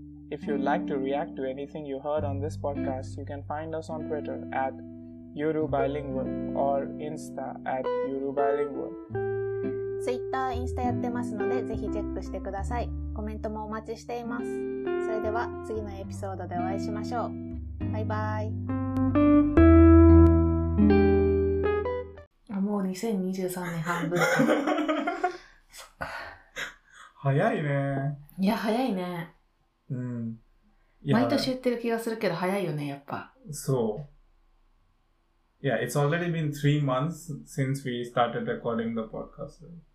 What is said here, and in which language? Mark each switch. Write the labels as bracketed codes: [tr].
[en] If you'd like to react to anything you heard on this podcast, you can find us on Twitter at @YuruBilingual or Insta at @YuruBilingual. [ja] Twitter、Insta やってますので、ぜひチェックしてください。コメントもお待ちしています。それでは次のエピソードでお会いしましょう。バイバイ。もう2023年半分か。早いね。いや早いね。うん。毎年言ってる気がするけど早いよねやっぱ。そう。 [en] Yeah, it's already been 3 months since we started recording the podcast.